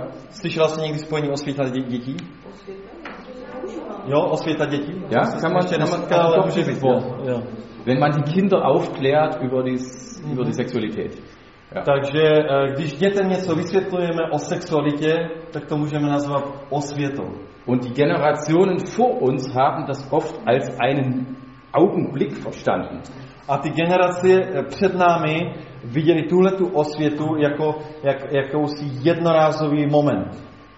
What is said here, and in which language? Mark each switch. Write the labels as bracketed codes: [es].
[cs] Slyšela jsi někdy spojení osvěta dětí? Jo, osvěta dětí. [de] Ja, kann man schon mal kann doch schon mit vor. Ja. Wenn man die Kinder aufklärt über die über die Sexualität. Ja. [cs] Takže když dětem něco vysvětlujeme o sexualitě, tak to můžeme nazvat osvětou. [de] Und die Generationen vor uns haben das oft als einen Augenblick verstanden. [cs] A ty generace před námi viděli tuhle tu osvětu jako jakousi jednorázový moment.